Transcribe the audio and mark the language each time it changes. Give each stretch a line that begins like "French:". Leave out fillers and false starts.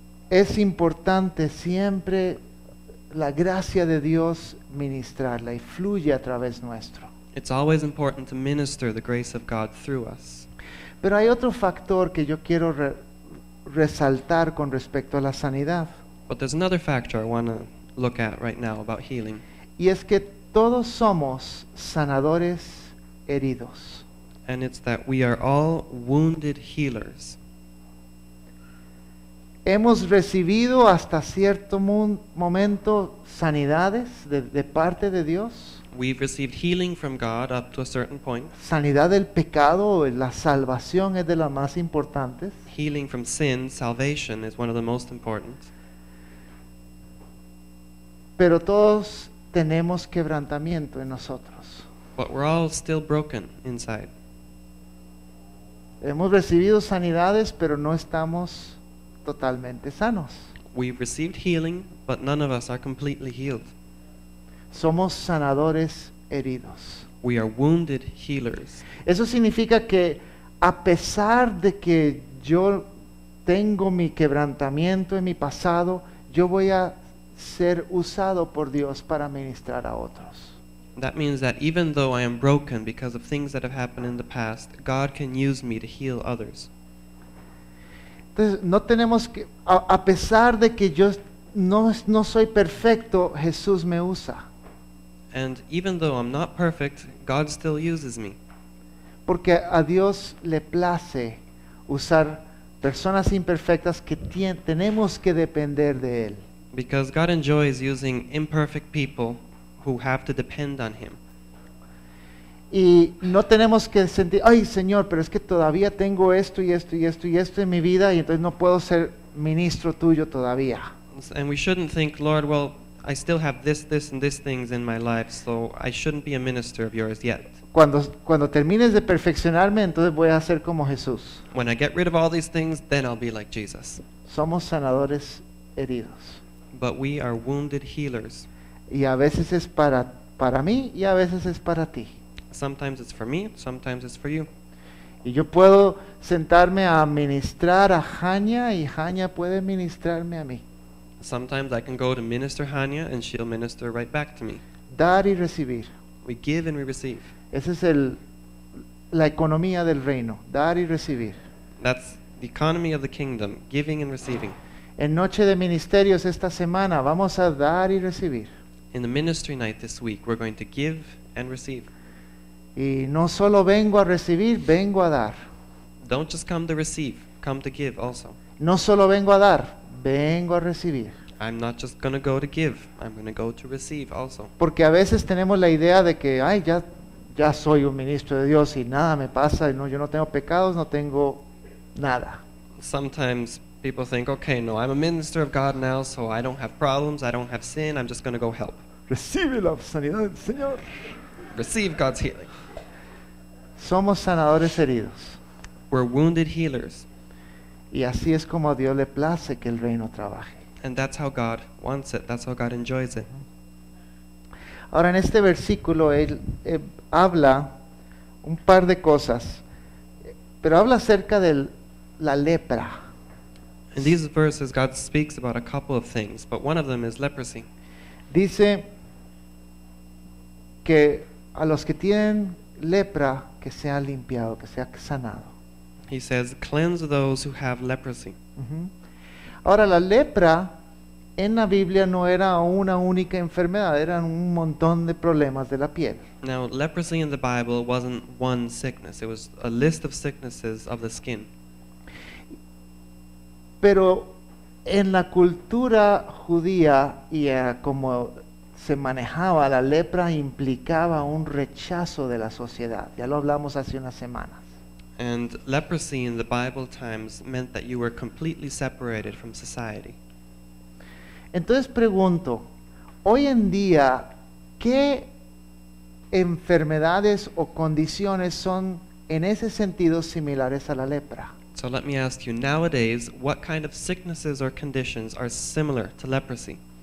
Spanish: Es importante siempre la gracia de Dios ministrarla y fluye a través nuestro.
English: It's always important to minister the grace of God through us.
Spanish: Pero hay otro factor que yo quiero resaltar con respecto a la sanidad.
English: But there's another factor I want to look at right now about healing.
Spanish: Y es que todos somos sanadores heridos.
English: And it's that we are all wounded healers.
Spanish: Hemos recibido hasta cierto momento sanidades de parte de Dios.
English: We've received healing from God up to a certain point.
Spanish: Sanidad del pecado, la salvación es de las más importantes.
English: Healing from sin, salvation is one of the most important.
Spanish: Pero todos tenemos quebrantamiento en nosotros.
English: But we're all still broken inside.
Spanish: Hemos recibido sanidades, pero no estamos totalmente sanos.
English: We've received healing, but none of us are completely healed.
Spanish: Somos sanadores heridos.
English: We are wounded healers.
Spanish: Eso significa que a pesar de que yo tengo mi quebrantamiento en mi pasado, yo voy a ser usado por Dios para ministrar a otros.
English: That means that even though I am broken because of things that have happened in the past, God can use me to heal others.
Spanish: Entonces, no tenemos que, a pesar de que yo no soy perfecto, Jesús me usa.
English: And even though I'm not perfect, God still uses me.
Spanish: Porque a Dios le place usar personas imperfectas que tenemos que depender de Él.
English: Because God enjoys using imperfect people who have to depend on Him.
Spanish: Y no tenemos que sentir, ay Señor, pero es que todavía tengo esto y esto y esto y esto en mi vida, y entonces no puedo ser ministro tuyo todavía.
English: And we shouldn't think, Lord, well, I still have this and this things in my life, so I shouldn't be a minister of yours yet.
Spanish: Cuando termines de perfeccionarme, entonces voy a ser como Jesús.
English: When I get rid of all these things, then I'll be like Jesus.
Spanish: Somos sanadores heridos.
English: But we are wounded healers.
Spanish: Y a veces es para mí y a veces es para ti.
English: Sometimes it's for me, sometimes it's for you.
Spanish: Y yo puedo sentarme a ministrar a Hania y Hania puede ministrarme a mí.
English: Sometimes I can go to minister Hania and she'll minister right back to me.
Spanish: Dar y recibir.
English: We give and we receive.
Spanish: Ese es la economía del reino, dar y recibir.
English: That's the economy of the kingdom, giving and receiving.
Spanish: En noche de ministerios esta semana vamos a dar y recibir.
English: In the ministry night this week we're going to give and receive.
Spanish: Y no solo vengo a recibir, vengo a dar.
English: Don't just come to receive, come to give also.
Spanish: No solo vengo a dar, vengo a recibir.
English: I'm not just going to go to give, I'm going to go to receive also.
Spanish: Porque a veces tenemos la idea de que, ay, ya soy un ministro de Dios y nada me pasa, y no, yo no tengo pecados, no tengo nada.
English: Sometimes people think, okay, no, I'm a minister of God now, so I don't have problems, I don't have sin, I'm just going to go help.
Spanish: Recibe la sanidad del Señor.
English: Receive God's healing.
Spanish: Somos sanadores heridos.
English: We're wounded healers.
Spanish: Y así es como a Dios le place que el reino trabaje.
English: And that's how God wants it. That's how God enjoys it.
Spanish: Ahora en este versículo él habla un par de cosas, pero habla acerca de la lepra.
English: In these verses God speaks about a couple of things, but one of them is leprosy.
Spanish: Dice que a los que tienen lepra que sea limpiado, que sea sanado.
English: He says, cleanse those who have leprosy. Uh-huh.
Spanish: Ahora la lepra en la Biblia no era una única enfermedad, eran un montón de problemas de la piel.
English: Now leprosy in the Bible wasn't one sickness, it was a list of sicknesses of the skin.
Spanish: Pero en la cultura judía y como se manejaba, la lepra implicaba un rechazo de la sociedad. Ya lo hablamos hace unas semanas.
English: And leprosy in the Bible times meant that you were completely separated from society.
Spanish: Entonces pregunto, hoy en día, ¿qué enfermedades o condiciones son en ese sentido similares a la lepra?
English: So let me ask you, nowadays, what kind of sicknesses or conditions are similar to leprosy?